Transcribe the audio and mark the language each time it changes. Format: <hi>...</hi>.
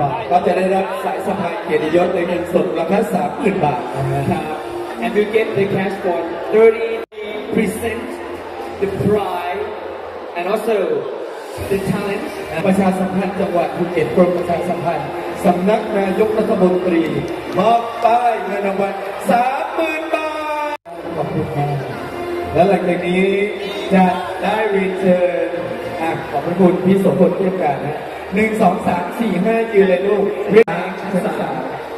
<th>ก็จะได้รับสายสะพายเกียรติยศในเงินสดราคา 30,000 บาทนะครับ</th> <en>And you get the cash for 30% the prize and also the talent.</en> <th>ประชาสัมพันธ์จังหวัดภูเก็ตกรมประชาสัมพันธ์สำนักนายกรัฐมนตรีมอบป้ายเงินรางวัล 30,000 บาทขอบคุณมากและหลังจากนี้จะได้เรียนเชิญขอบคุณพี่สมพลเทียบการนะ1 2 3 4 5ยืนเลยลูกเรียนชั้น3</th>